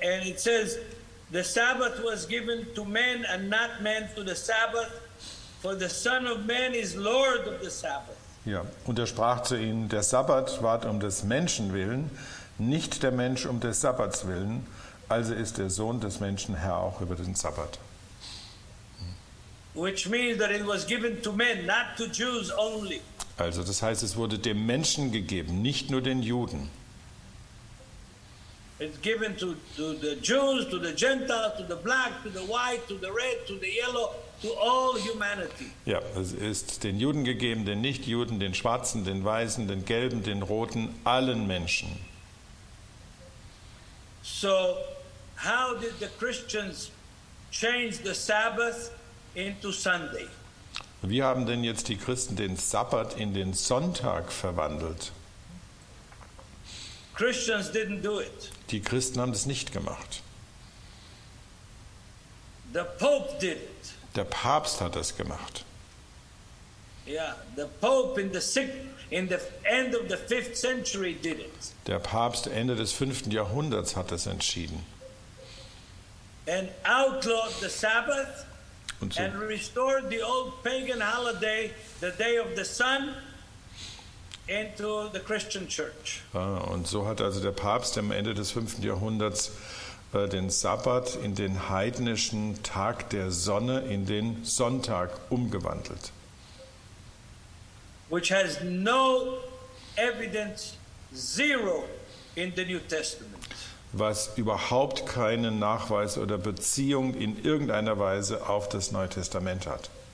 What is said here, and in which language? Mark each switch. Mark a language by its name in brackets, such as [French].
[English] And it says the Sabbath was given to men and not men to the Sabbath, for the Son of Man is Lord of the Sabbath. [German] Ja, und er sprach zu ihnen, der Sabbat ward um des Menschen willen, nicht der Mensch um des Sabbats willen, also ist der Sohn des Menschen Herr auch über den Sabbat. [English] Which means that it was given to men, not to Jews only. [German] Also das heißt, es wurde dem Menschen gegeben, nicht nur den Juden. [English] It's given to the Jews, to the Gentiles, to the black, to the white, to the red, to the yellow, to all humanity. [German] Ja, es ist den Juden gegeben, den Nichtjuden, den Schwarzen, den Weißen, den Gelben, den Roten, allen Menschen. [English] So, how did the Christians change the Sabbath into Sunday? [German] Wie haben denn jetzt die Christen den Sabbat in den Sonntag verwandelt? [English] Christians didn't do it. [German] Die Christen haben das nicht gemacht. [English] The Pope did it. [German] Der Papst hat das gemacht. [English] Yeah, the Pope in the end of the 5th century did it. [German] Der Papst Ende des 5. Jahrhunderts hat das entschieden. [English] And outlawed the Sabbath [German] und so [English] and restored the old pagan holiday, the day of the sun, into the Christian church. [German] Ah, und so hat also der Papst am Ende des 5. Jahrhunderts den Sabbat in den heidnischen Tag der Sonne in den Sonntag umgewandelt. [English] Which has no evidence, zero, in the New Testament. [German] was überhaupt keinen Nachweis oder Beziehung in irgendeiner Weise auf das Neue Testament hat.